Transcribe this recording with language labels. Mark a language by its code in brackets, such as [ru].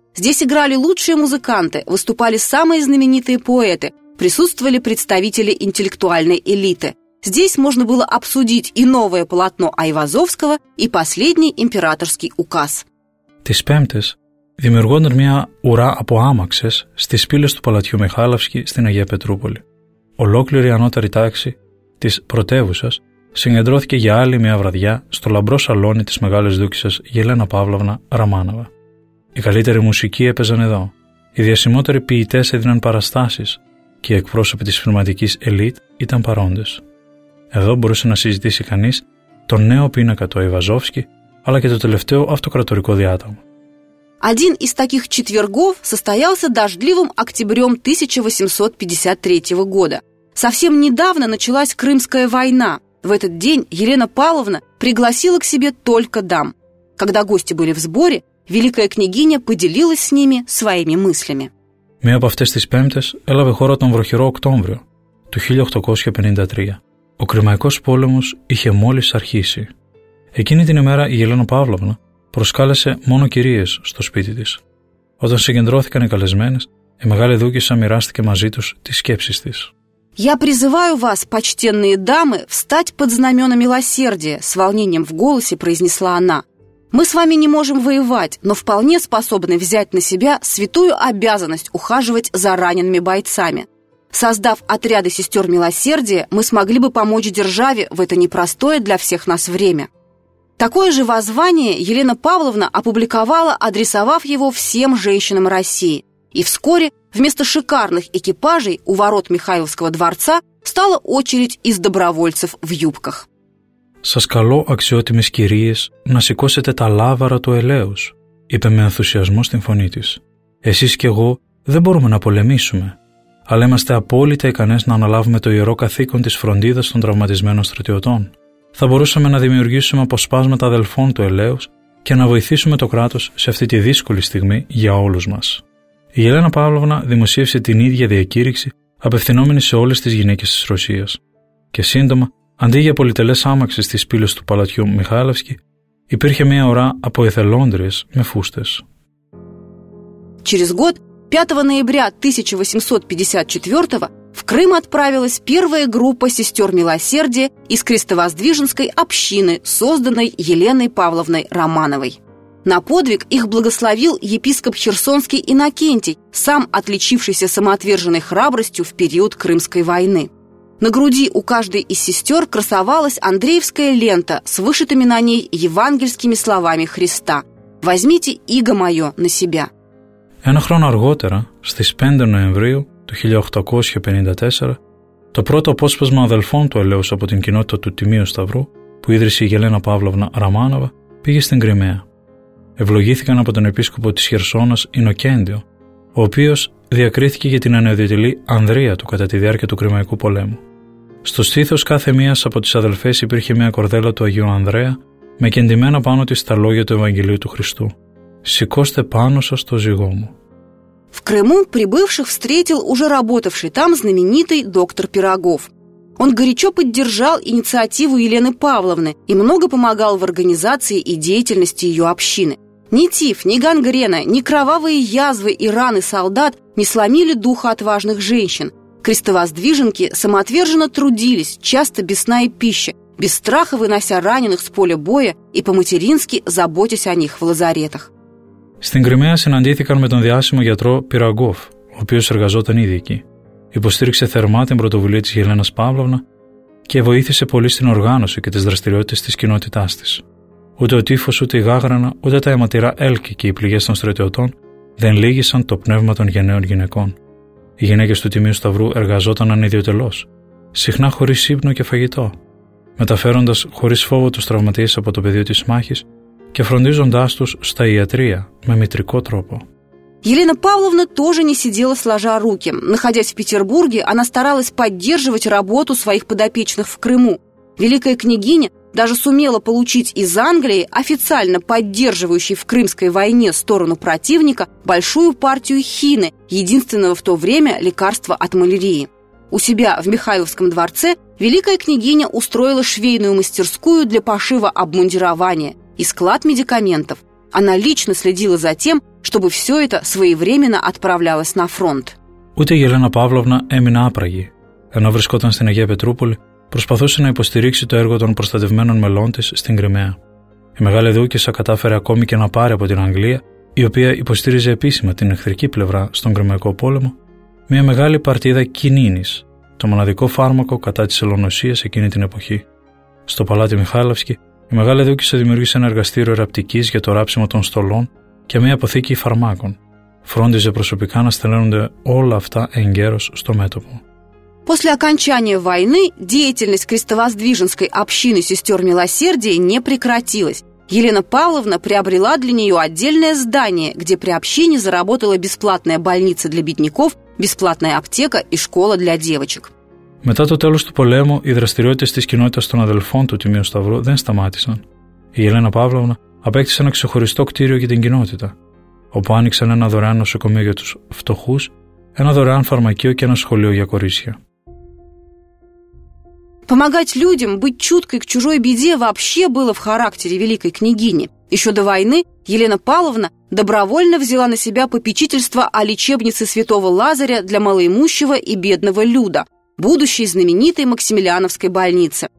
[ru] Здесь играли лучшие музыканты, выступали самые знаменитые поэты, присутствовали представители интеллектуальной элиты. Здесь можно было обсудить и новое полотно Айвазовского, и последний императорский указ. [el] Τις Πέμπτες δημιουργόταν μια ουρά από άμαξες στις πύλες του Παλατιού Μιχάλευσκη στην Αγία Πετρούπολη. Ολόκληρη η ανώτερη τάξη της πρωτεύουσας συγκεντρώθηκε για άλλη μια βραδιά στο λαμπρό σαλόνι της μεγάλης δούκισσας Γελένα Παύλωνα Ραμάνοβα. Η καλύτερη μουσική έπαιζαν εδώ. Οι διασημότεροι ποιητές έδιναν παραστάσεις και οι εκπρόσωποι της φρηματικής ελίτ ήταν παρόντες. Εδώ μπορούσε να συζητήσει κανείς τον νέο πίνακα του Αϊβαζόφσκι αλλά και το τελευταίο αυτοκρατορικό διάταγμα. [ru] Один из таких четвергов состоялся дождливым октябрем 1853 года. Совсем недавно началась Крымская война. В этот день Елена Павловна пригласила к себе только дам. Когда гости были в сборе, великая княгиня поделилась с ними своими мыслями. [el] Мия από αυτές τις Πέμπτες έλαβε χώρα τον βροχερό Οκτώβριο του 1853. Ο Κρυμαϊκός πόλεμος είχε μόλις αρχίσει. Εκείνη την ημέρα η Ελένα Παύλοβνα προσκάλεσε μόνο κυρίες στο σπίτι της. Όταν συγκεντρώθηκαν οι καλεσμένες, η μεγάλη δούκισσα μοιράστηκε μαζί τους τις σκέψεις της. [ru] «Я призываю вас, почтенные дамы, встать под знамена милосердия», с волнением в голосе произнесла она. «Мы с вами не можем воевать, но вполне способны взять на себя святую обязанность ухаживать за ранеными бойцами. Создав отряды сестер милосердия, мы смогли бы помочь державе в это непростое для всех нас время». Такое же воззвание Елена Павловна опубликовала, адресовав его всем женщинам России. И вскоре вместо шикарных экипажей у ворот Михайловского дворца стала очередь из добровольцев в юбках. [el] «Сас кало, аксиотимис кириес, на сикосете та лавара ту Элеус», είπε με ενθουσιασμό στην φωνή της. «Εσείς και εγώ δεν μπορούμε να πολεμήσουμε, αλλά είμαστε απόλυτα ικανές να αναλάβουμε το ιερό καθήκον της φροντίδας των τραυματισμένων στρατιωτών. Θα μπορούσαμε να δημιουργήσουμε αποσπάσματα αδελφών του Ελέους και να βοηθήσουμε το κράτος σε αυτή τη δύσκολη στιγμή για όλους μας». Η Ελένα Παύλοβνα δημοσίευσε την ίδια διακήρυξη απευθυνόμενη σε όλες τις γυναίκες της Ρωσίας. Και σύντομα, αντί για πολυτελές άμαξες στις πύλες του παλατιού Μιχάλευσκη, υπήρχε μια ωρά από εθελόντριες με φούστες. [ru] Через год, 5 ноября 1854-го, в Крым отправилась первая группа сестер милосердия из крестовоздвиженской общины, созданной Еленой Павловной Романовой. На подвиг их благословил епископ Херсонский Иннокентий, сам отличившийся самоотверженной храбростью в период Крымской войны. На груди у каждой из сестер красовалась Андреевская лента с вышитыми на ней евангельскими словами Христа: «Возьмите иго мое на себя». [el] Ένα χρόνο αργότερα, στις 5 Νοεμβρίου του 1854, το πρώτο απόσπασμα αδελφών του Ελέους από την κοινότητα του Τιμίου Σταυρού, που ίδρυσε η Ελένα Παύλοβνα Ραμάνοβα, πήγε στην Κρυμαία. Ευλογήθηκαν από τον επίσκοπο της Χερσόνας Ινοκέντιο, ο οποίος διακρίθηκε για την ανεδιοτελή ανδρεία του κατά τη διάρκεια του Κρυμαϊκού Πολέμου. Στο στήθος κάθε μίας από τις αδελφές υπήρχε μια κορδέλα του Αγίου Ανδρέα με κεντημένα πάνω της τα λόγια του Ευαγγελίου του Χριστού. «Сикосте пануса сто зигому». [ru] В Крыму прибывших встретил уже работавший там знаменитый доктор Пирогов. Он горячо поддержал инициативу Елены Павловны и много помогал в организации и деятельности ее общины. Ни тиф, ни гангрена, ни кровавые язвы и раны солдат не сломили духа отважных женщин. Крестовоздвиженки самоотверженно трудились, часто без сна и пищи, без страха вынося раненых с поля боя и по-матерински заботясь о них в лазаретах. [el] Στην Κρυμαία συναντήθηκαν με τον διάσημο γιατρό Πυραγκόφ, ο οποίος εργαζόταν ήδη εκεί. Υποστήριξε θερμά την πρωτοβουλία της Ελένας Παύλοβνα και βοήθησε πολύ στην οργάνωση και τις δραστηριότητες της κοινότητάς της. Ούτε ο τύφος, ούτε η γάγρανα, ούτε τα αιματηρά έλκη και οι πληγές των στρατιωτών δεν λύγησαν το πνεύμα των γενναίων γυναικών. Οι γυναίκες του Τιμίου Σταυρού εργαζόταν ανιδιωτελώς, συχνά χωρίς ύπνο και φαγητό, μεταφέροντας χωρίς φόβο τους τραυματίες από το πεδίο της μάχης και φροντίζοντάς τους στα ιατρία με μητρικό τρόπο. [ru] Елена Павловна тоже не сидела сложа руки. Находясь в Петербурге, она старалась поддерживать работу своих подопечных в Крыму. Великая княгиня даже сумела получить из Англии, официально поддерживающей в Крымской войне сторону противника, большую партию хины, единственного в то время лекарства от малярии. У себя в Михайловском дворце великая княгиня устроила швейную мастерскую для пошива обмундирования и склад медикаментов. Она лично следила за тем, чтобы все это своевременно отправлялось на фронт. [el] Ούτε η Ελένα Παύλοβνα έμεινε άπραγη. Ενώ βρισκόταν στην Αγία Πετρούπολη, προσπαθούσε να υποστηρίξει το έργο των προστατευμένων μελών της στην Κρυμαία. Η μεγάλη δούκισσα κατάφερε ακόμη και να πάρει από την Αγγλία, η οποία υποστήριζε επίσημα την εχθρική πλευρά στον Κρυμαϊκό Πόλεμο, μια μεγάλη παρτίδα κινίνης, το μοναδικό φάρμακο κατά της ελονοσίας εκείνη την εποχή. Στο παλάτι Μιχάλευσκη, η μεγάλη δούκισσα δημιούργησε ένα εργαστήριο εραπτικής για το ράψιμο των στολών και μια αποθήκη φαρμάκων. Φρόντιζε προσωπικά να στελέονται όλα αυτά εγκαίρως στο μέτωπο. [ru] После окончания войны деятельность крестовоздвиженской общины сестер милосердия не прекратилась. Елена Павловна приобрела для нее отдельное здание, где при общине заработала бесплатная больница для бедняков, бесплатная аптека и школа для девочек. [el] Μετά το τέλος του πολέμου, οι δραστηριότητες της κοινότητας των αδελφών του Τιμίου Σταυρού δεν σταμάτησαν. Η Ελένα Παύλωνα απέκτησε ένα ξεχωριστό κτίριο για την κοινότητα, όπου άνοιξαν ένα δωρεάν νοσοκομείο για τους φτωχούς, ένα δωρεάν φαρμακείο και ένα σχολείο για κορίτσια. [ru] Помогать людям, быть чуткой к чужой беде вообще было в характере великой княгини. Еще до войны Елена Павловна добровольно взяла на себя попечительство о лечебнице святого Лазаря для малоимущего и бедного люда, будущей знаменитой Максимилиановской больнице.